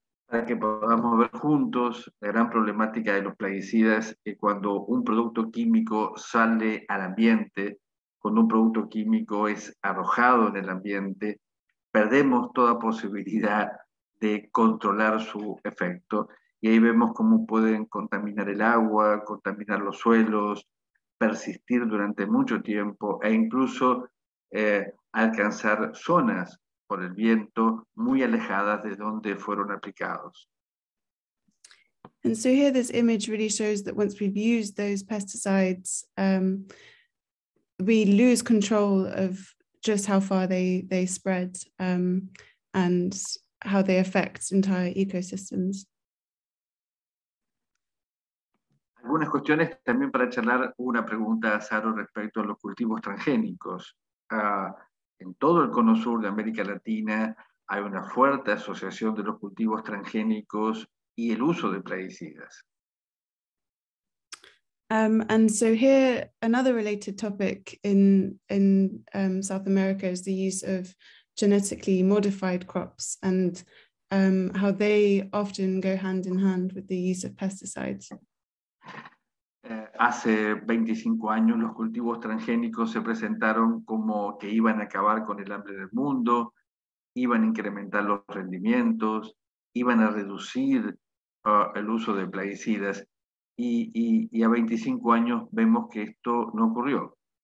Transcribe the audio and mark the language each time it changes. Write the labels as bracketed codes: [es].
[es] Para que podamos ver juntos la gran problemática de los plaguicidas es cuando un producto químico sale al ambiente, cuando un producto químico es arrojado en el ambiente, perdemos toda posibilidad de controlar su efecto. Y ahí vemos cómo pueden contaminar el agua, contaminar los suelos, persistir durante mucho tiempo e incluso alcanzar zonas por el viento muy alejadas de donde fueron aplicados. [en] And so here this image really shows that once we've used those pesticides, we lose control of just how far they spread and how they affect entire ecosystems. [es] Algunas cuestiones también para charlar, una pregunta a Saro respecto a los cultivos transgénicos. En todo el cono sur de América Latina hay una fuerte asociación de los cultivos transgénicos y el uso de plaguicidas. [en] And so here, another related topic in South America is the use of genetically modified crops and how they often go hand in hand with the use of pesticides. [es] Hace 25 años los cultivos transgénicos se presentaron como que iban a acabar con el hambre del mundo, iban a incrementar los rendimientos, iban a reducir el uso de plaguicidas. Y a 25 años vemos que esto no ocurrió.